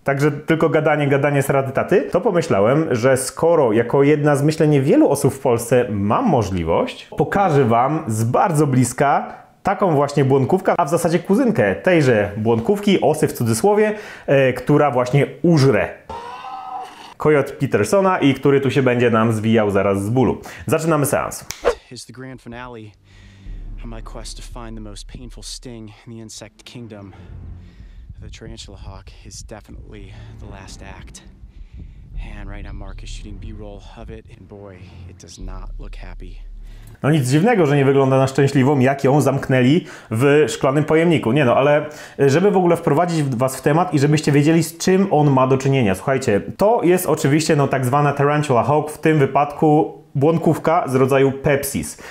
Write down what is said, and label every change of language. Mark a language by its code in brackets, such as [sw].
[pl] Także tylko gadanie srady taty, to pomyślałem, że skoro jako jedna z myślenie wielu osób w Polsce mam możliwość, pokażę wam z bardzo bliska taką właśnie błonkówkę, a w zasadzie kuzynkę tejże błonkówki, osy w cudzysłowie, która właśnie użre Coyote Petersona i który tu się będzie nam zwijał zaraz z bólu. Zaczynamy seans. [en] It's the grand finale on my quest to find the most painful sting in the insect kingdom. The tarantula hawk is definitely the last act. And right now Mark is shooting B-roll of it, and boy, it does not look happy. [pl] No nic dziwnego, że nie wygląda na szczęśliwą, jak ją zamknęli w szklanym pojemniku. Nie no, ale żeby w ogóle wprowadzić was w temat i żebyście wiedzieli, z czym on ma do czynienia. Słuchajcie, to jest oczywiście no tak zwana tarantula hawk, w tym wypadku błonkówka z rodzaju Pepsis.